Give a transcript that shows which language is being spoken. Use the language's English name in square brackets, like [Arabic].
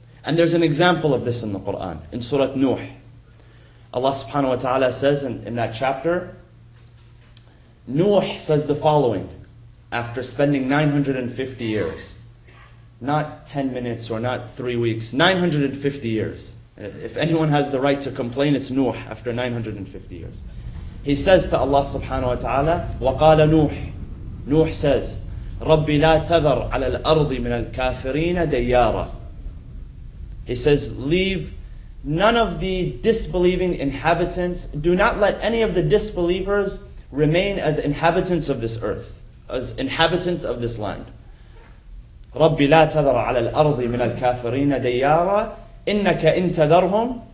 [English] And there's an example of this in the Qur'an, in Surah Nuh. Allah subhanahu wa ta'ala says in that chapter, Nuh says the following, after spending 950 years, not 10 minutes or not 3 weeks, 950 years. If anyone has the right to complain, it's Nuh after 950 years. He says to Allah subhanahu wa ta'ala, وَقَالَ نُوحٌ. [Arabic] Nuh says, رَبِّ لَا تَذَرْ عَلَى الْأَرْضِ مِنَ الْكَافِرِينَ دَيَّارًا. [English] He says, leave none of the disbelieving inhabitants, do not let any of the disbelievers remain as inhabitants of this earth, as inhabitants of this land. [Arabic] رَبِّ لَا تَذَرْ عَلَى الْأَرْضِ مِنَ الْكَافِرِينَ دَيَّارًا إِنَّكَ إِن تَذَرْهُمْ.